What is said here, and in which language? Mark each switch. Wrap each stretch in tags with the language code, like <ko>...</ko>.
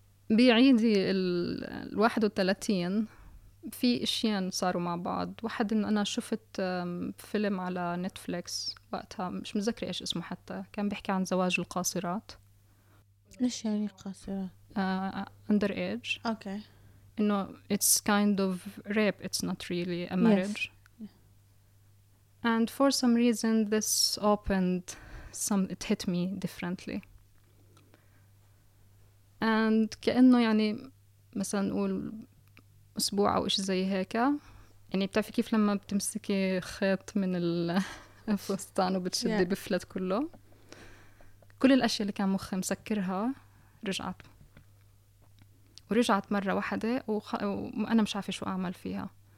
<ar>بعيدي 31 في اشياء صاروا مع بعض. واحد ان انا شفت فيلم على نتفليكس وقتها مش متذكر ايش اسمه، حتى كان بيحكي عن زواج القاصرات. ايش يعني قاصرات؟</ar> <en>Under age. Okay. انه it's kind of rape, it's not really a marriage. Yes. And for some reason this opened some, it hit me differently.</en> <ar>And كأنه يعني مثلا نقول اسبوع او اشي زي هيك، يعني بتعرفي كيف لما بتمسكي خيط من الفستان وبتشدي yeah. بفلت كله، كل الاشياء اللي كان مخي مسكرها رجعت، ورجعت مرة واحدة وانا مش عارفة شو اعمل فيها.</ar>